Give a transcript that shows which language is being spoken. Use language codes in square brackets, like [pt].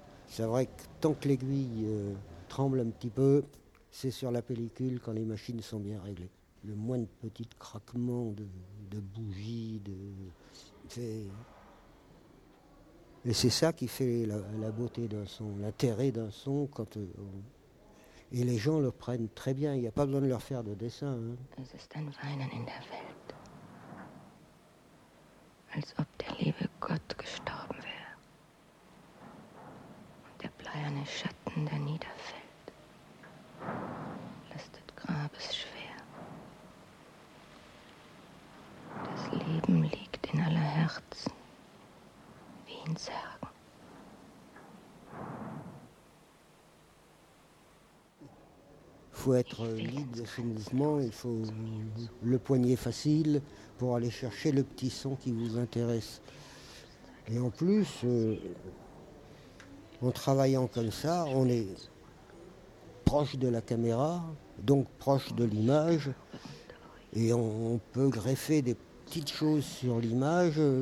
[fr] C'est vrai que tant que l'aiguille tremble un petit peu, c'est sur la pellicule quand les machines sont bien réglées. Le moindre petit craquement de bougie, Et c'est ça qui fait la beauté d'un son, l'intérêt d'un son quand... Et les gens le prennent très bien, il n'y a pas besoin de leur faire de dessin. Hein. [de] Es ist ein Weinen in der Welt. Als ob der liebe Gott gestorben wäre. Und der bleierne Schatten, der niederfällt, lastet Grabes schwer. Das Leben liegt in aller Herzen, wie in Särgen. [fr] Il faut être libre de ce mouvement, il faut le poignet facile pour aller chercher le petit son qui vous intéresse. Et en plus, en travaillant comme ça, on est proche de la caméra, donc proche de l'image, et on peut greffer des petites choses sur l'image.